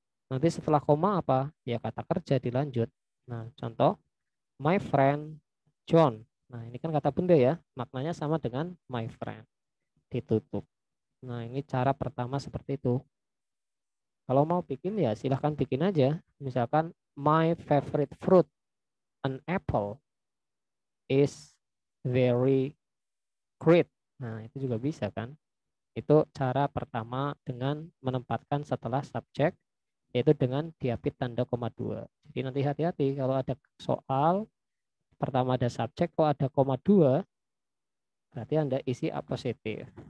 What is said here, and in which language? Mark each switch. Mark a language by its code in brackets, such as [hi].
[id] Nanti setelah koma apa? Ya kata kerja dilanjut. Nah, contoh, [en] my friend John. [id] Nah, ini kan kata benda ya, maknanya sama dengan [en] my friend. [id] Ditutup. Nah, ini cara pertama seperti itu. Kalau mau bikin ya silahkan bikin aja. [en] Misalkan my favorite fruit, an apple, is very great. [id] Nah, itu juga bisa kan. Itu cara pertama dengan menempatkan setelah subjek yaitu dengan diapit tanda koma 2. Jadi nanti hati-hati kalau ada soal pertama ada subjek kok ada koma 2, berarti Anda isi apositif.